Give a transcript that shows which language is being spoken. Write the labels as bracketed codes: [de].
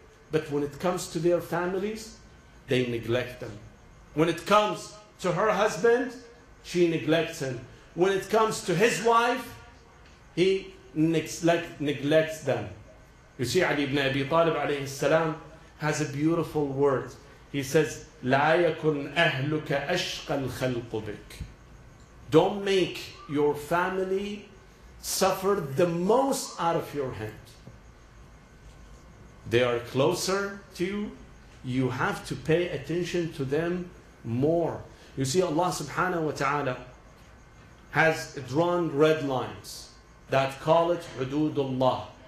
[en] But when it comes to their families, they neglect them. When it comes to her husband, she neglects him. When it comes to his wife, he neglects them. You see, Ali ibn Abi Talib alayhi salam has a beautiful word. He says, [ar] لا يكن أهلك أشقى الخلق بك. [en] Don't make your family suffer the most out of your hand. They are closer to you. You have to pay attention to them more. You see, Allah subhanahu wa ta'ala has drawn red lines that call it hududullah.